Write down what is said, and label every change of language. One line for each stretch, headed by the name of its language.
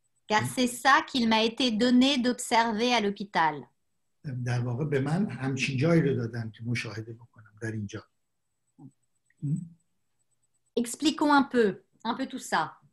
French: Car c'est ça qu'il m'a été donné d'observer à l'hôpital.
Persian: در واقع به من همچین جایی رو دادن که مشاهده بکنم در اینجا.
French: Expliquons un peu tout ça.